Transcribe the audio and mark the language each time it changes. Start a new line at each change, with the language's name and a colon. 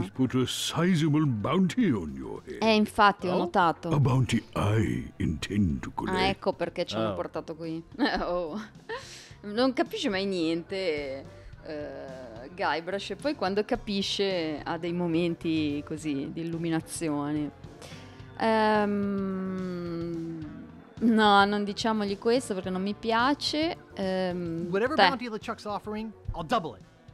English: He's put a sizable bounty on your head.
Italian: Infatti, ho notato.
English: A bounty I intend to collect.
Italian: Ecco perché ci hanno portato qui. Non capisce mai niente. Guybrush, e poi quando capisce ha dei momenti così di illuminazione. No, non diciamogli questo perché non mi piace.
English: Whatever bounty LeChuck's offering, I'll double it.